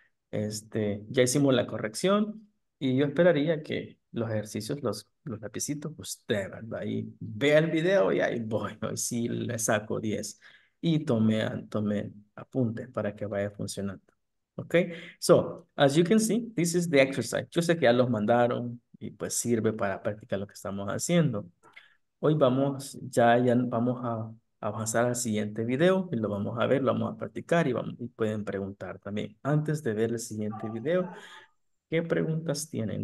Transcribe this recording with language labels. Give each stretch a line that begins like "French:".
Spanish: Ya hicimos la corrección y yo esperaría que los ejercicios, los lapicitos, usted, ¿verdad? Ahí vea el video y ahí voy, ¿no? Y si le saco 10 y tome apuntes para que vaya funcionando.
English: Okay, so as you can see, this is the exercise.
Spanish: Yo sé que ya los mandaron y pues sirve para practicar lo que estamos haciendo. Hoy vamos, ya vamos a avanzar al siguiente video y lo vamos a ver, lo vamos a practicar y pueden preguntar también. Antes de ver el siguiente video, ¿qué preguntas tienen?